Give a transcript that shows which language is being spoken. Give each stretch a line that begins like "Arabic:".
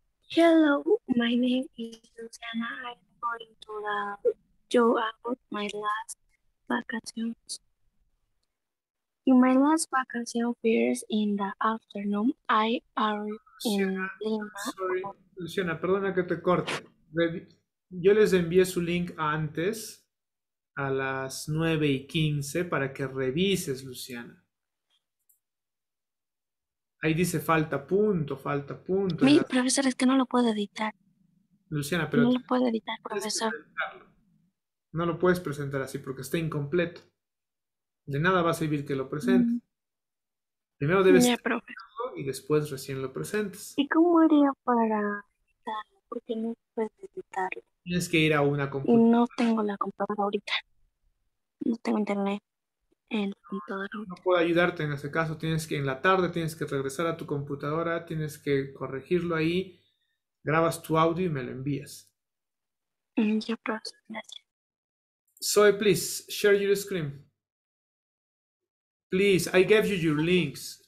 English: Hello, my name is Luciana. I'm going to show out my last vacations. In my last vacation appears in the afternoon, I arrived.
Spanish: Luciana,
English: sorry,
Spanish: Luciana, perdona que te corte. Yo les envié su link antes a las 9:15 para que revises, Luciana. Ahí dice falta punto. Mi profesor, es que no lo puedo editar. Luciana, pero no lo puedo editar, profesor. No lo puedes presentar así porque está incompleto. De nada va a servir que lo presente. Primero debes... Ya, profe. Y después recién lo presentes. ¿Y cómo haría para editarlo? Porque no puedes editarlo. Tienes que ir a una computadora. Y no tengo la computadora ahorita. No tengo internet en la computadora. No puedo ayudarte en ese caso. Tienes que, en la tarde, tienes que regresar a tu computadora, tienes que corregirlo ahí, grabas tu audio y me lo envías. Ya, profesor, gracias.
English: Zoe, please, share your screen. Please, I gave you your links.